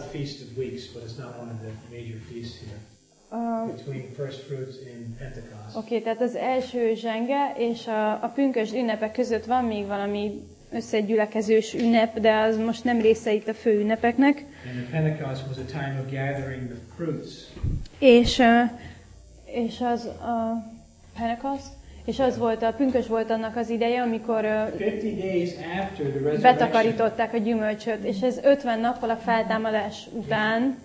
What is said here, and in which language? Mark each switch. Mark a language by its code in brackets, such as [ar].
[en] The Feast of Weeks, but it's not one of the major feasts here. Between first fruits and Pentecost. [hu] Oké, okay, tehát az első zsenge és a pünkösd ünnepek között van még valami összegyülekezős ünnep, de az most nem része itt a fő ünnepeknek. [en] And the Pentecost was a time of gathering the fruits. [hu] És az a Pentecost, és az volt a pünkös volt annak az ideje, amikor [en] 50 days after the resurrection. [hu] Betakarították a gyümölcsöt, és ez 50 nappal a feltámadás után.